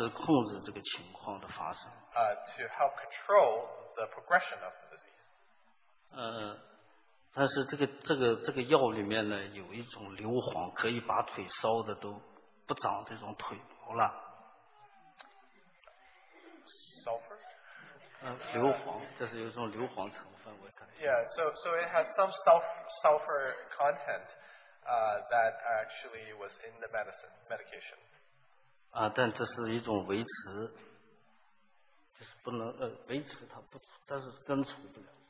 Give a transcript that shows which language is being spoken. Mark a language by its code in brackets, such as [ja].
[en] To help control the progression of the disease. [zh] 但是这个药里面呢有一种硫磺，可以把腿烧的都不长这种腿毛了。 [en] Sulfur? [zh] 硫磺，这是有一种硫磺成分。 [en] Yeah, so it has some sulfur content that actually was in the medication. [zh] 但这是一种维持，就是不能维持它不，但是根除不了。